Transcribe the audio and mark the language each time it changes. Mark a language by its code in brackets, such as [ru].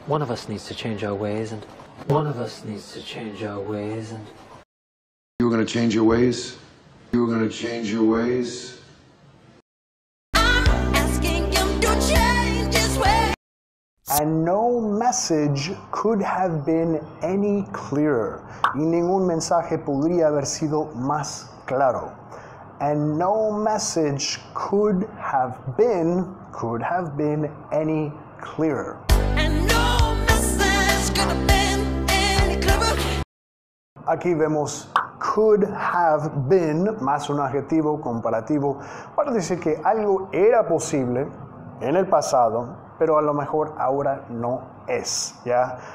[en] One of us needs to change our ways, and One of us needs to change our ways. You were gonna change your ways? You were gonna change your ways? I'm asking you to change his ways. And no message could have been any clearer. [es] Y ningún mensaje podría haber sido más claro. [en] And no message could have been any clearer. And no message could have been any clearer. [es] Aquí vemos could have been, más un adjetivo comparativo, para decir que algo era posible en el pasado, pero a lo mejor ahora no es, ¿ya?